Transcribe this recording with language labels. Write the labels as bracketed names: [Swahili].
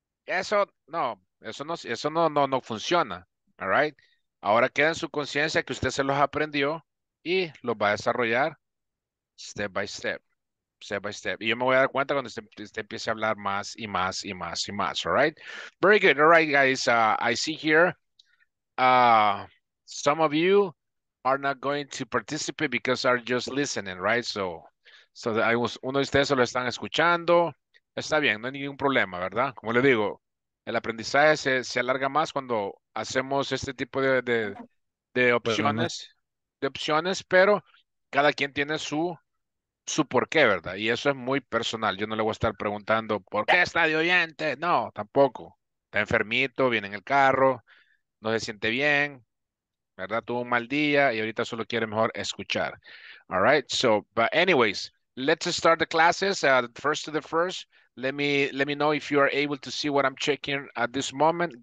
[Spanish] Eso no funciona. All right? Ahora queda en su conciencia que usted se los aprendió y los va a desarrollar [English] step by step. Step by step. [Spanish] Y yo me voy a dar cuenta cuando usted empiece a hablar más y más y más y más. [English] All right. Very good. All right, guys. I see here some of you are not going to participate because are just listening, right? So I was, [Spanish] uno de ustedes solo están escuchando. Está bien, no hay ningún problema, ¿verdad? Como le digo, el aprendizaje se alarga más cuando hacemos este tipo de opciones. Bueno, ¿no? De opciones, pero cada quien tiene su porqué, ¿verdad? Y eso es muy personal. Yo no le voy a estar preguntando ¿por qué está de oyente? No, tampoco. Está enfermito, viene en el carro, no se siente bien, ¿verdad? Tuvo un mal día y ahorita solo quiere mejor escuchar. [English] All right? So, but anyways, let's start the classes. First to the first, let me know if you are able to see what I'm checking at this moment.